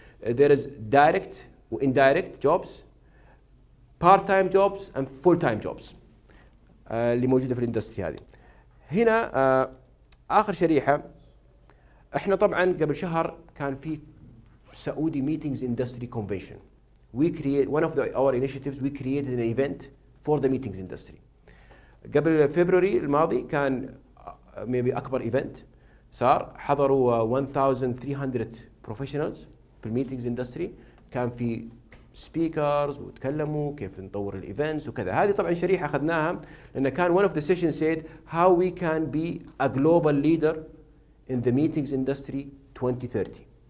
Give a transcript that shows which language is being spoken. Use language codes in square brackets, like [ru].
[en] There is direct و indirect jobs, part time jobs and full time jobs [ar] اللي موجودة في الاندستري هذه. هنا آخر شريحة, احنا طبعا قبل شهر كان في سعودي meetings industry convention. [en] We create one of the, our initiatives, we created an event for the meetings industry. [ar] قبل فبراير الماضي كان maybe أكبر event صار, حضروا 1300 professionals في meetings industry. كان في سبيكرز وتكلموا كيف نطور الايفنتس وكذا. هذه طبعا شريحه اخذناها لان كان [en] one of the session said how we can be a global leader in the meetings industry 2030.